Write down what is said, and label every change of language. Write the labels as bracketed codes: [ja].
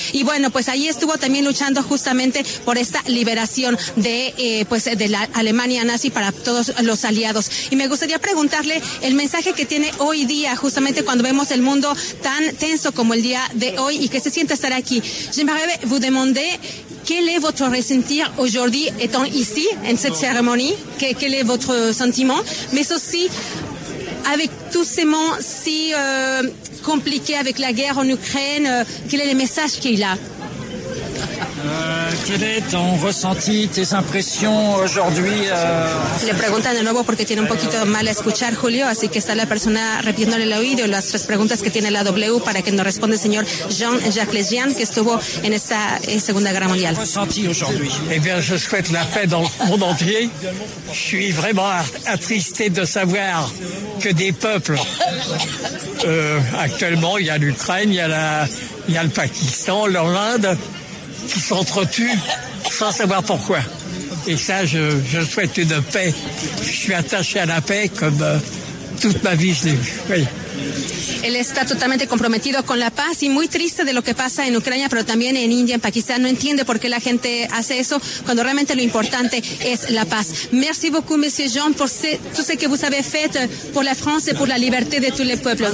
[es] Y bueno, pues ahí estuvo también luchando justamente por esta liberación de la Alemania nazi para todos los aliados. Y me gustaría preguntarle el mensaje que tiene hoy día, justamente cuando vemos el mundo tan tenso como el día de hoy y que se siente estar aquí. [fr] J'aimerais vous demander quel est votre ressenti aujourd'hui étant ici en cette cérémonie, quel est votre sentiment, mais aussi avec tous ces mots si compliqués avec la guerre en Ukraine, quel est le message qu'il a? Quel est ton ressenti, tes impressions aujourd'hui? [es] Le preguntan de nuevo porque tiene un poquito mal a escuchar, Julio, así que está la persona repitiéndole el oído las tres preguntas que tiene la W para que nos responda el señor Jean-Jacques Lejean, que estuvo en esta Segunda Guerra Mundial. [fr] Quel ressenti aujourd'hui? Eh bien, je souhaite la paix dans le monde entier. Je suis vraiment attristé de savoir que des peuples, actuellement, il y a l'Ukraine, il y a le Pakistan, l'Inde, qui s'entretuent sans savoir pourquoi. Et ça, je souhaite une paix. Je suis attaché à la paix comme toute ma vie, je l'ai vue. Oui. [es] Él está totalmente comprometido con la paz y muy triste de lo que pasa en Ucrania, pero también en India, en Pakistán. No entiende por qué la gente hace eso cuando realmente lo importante es la paz. [fr] Merci beaucoup, [es] monsieur Jean, por todo lo que [fr] vous avez fait [es] por la France y por la libertad de todos los pueblos.